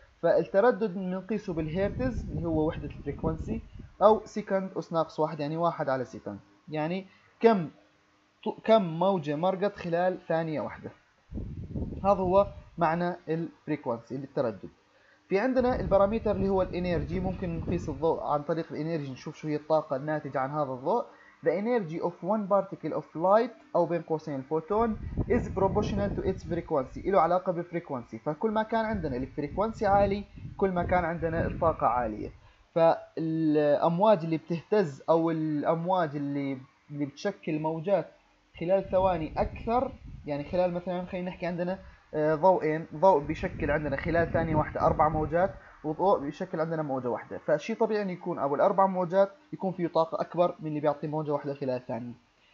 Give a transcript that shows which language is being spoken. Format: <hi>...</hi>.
<ar>فالتردد بنقيسه بالهيرتز اللي هو وحدة الفريكوانسي، او سيكند اس ناقص واحد يعني واحد على سيكند، يعني كم موجة مرقت خلال ثانية واحدة، هذا هو معنى الفريكوانسي للتردد. في عندنا البراميتر اللي هو الانيرجي، ممكن نقيس الضوء عن طريق الانيرجي، نشوف شو هي الطاقة الناتجة عن هذا الضوء.</ar> <en>The energy of one particle of light</en> <ar>أو بين قوسين الفوتون</ar> <en>is proportional to its frequency،</en> <ar>له علاقة بالفريكوانسي. فكل ما كان عندنا الفريكوانسي عالي كل ما كان عندنا الطاقة عالية. فالأمواج اللي بتهتز أو الأمواج اللي بتشكل موجات خلال ثواني أكثر، يعني خلال مثلا خلينا نحكي عندنا ضوئين، ضوء بيشكل عندنا خلال ثانية واحدة أربع موجات، وضوء بيشكل عندنا موجة واحدة، فشي طبيعي أن يكون أبو الأربع موجات يكون فيه طاقة أكبر من اللي بيعطي موجة واحدة خلال الثانية.</ar>